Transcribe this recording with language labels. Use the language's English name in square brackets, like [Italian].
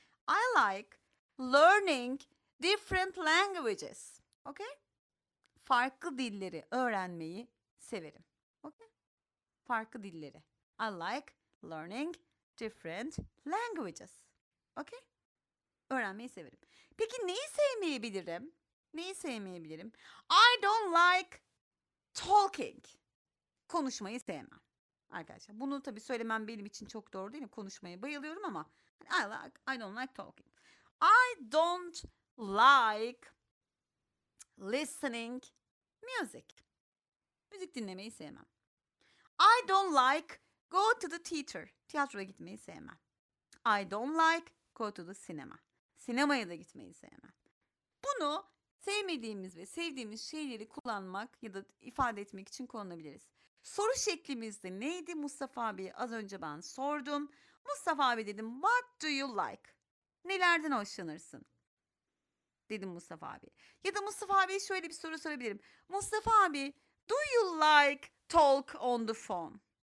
[English] I like learning different languages. Okay? [Turkish] Farklı dilleri öğrenmeyi severim. Okay? Farklı dilleri. [English] I like learning different languages. [Turkish] Okay? Öğrenmeyi severim. Peki neyi sevmeyebilirim? Neyi sevmeyebilirim? [English] I don't like talking. [Turkish] Konuşmayı sevmem. Arkadaşlar bunu tabii söylemem benim için çok doğru değil mi? Konuşmaya bayılıyorum ama [English] I don't like talking. I don't like listening music. [Turkish] Müzik dinlemeyi sevmem. [English] I don't like go to the theater. [Turkish] Tiyatroya gitmeyi sevmem. [English] I don't like go to the cinema. [Turkish] Sinemaya da gitmeyi sevmem. Bunu sevmediğimiz ve sevdiğimiz şeyleri kullanmak ya da ifade etmek için kullanabiliriz. Soru şeklimizde neydi Mustafa abi? Az önce ben sordum. Mustafa abi dedim, [English] what do you like? [Turkish] Nelerden hoşlanırsın? Dedim Mustafa abi. Ya da Mustafa abiye şöyle bir soru sorabilirim. [English] Mustafa abi, do you like talk on the phone?